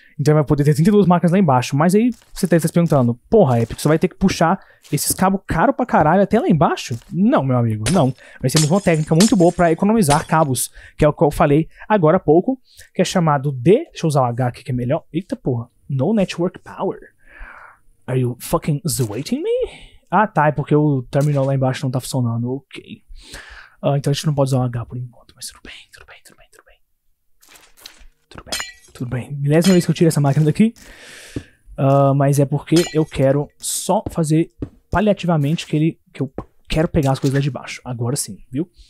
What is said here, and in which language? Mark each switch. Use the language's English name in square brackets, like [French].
[Portuguese] Então vai poder ter 32 máquinas lá embaixo. Mas aí você tá se perguntando, porra, Epix, você vai ter que puxar esses cabos caros pra caralho até lá embaixo? Não, meu amigo, não. Nós temos uma técnica muito boa pra economizar cabos, que é o que eu falei agora há pouco, que é chamado de... Deixa eu usar o H aqui que é melhor. Eita, porra. [English] No network power. Are you fucking zoating me? [Portuguese] Ah, tá, é porque o terminal lá embaixo não tá funcionando. Ok. Então a gente não pode usar o H por enquanto, mas tudo bem, tudo bem, tudo bem, tudo bem. Tudo bem. Tudo bem, milésima vez que eu tiro essa máquina daqui, mas é porque eu quero só fazer paliativamente que eu quero pegar as coisas lá de baixo, agora sim, viu?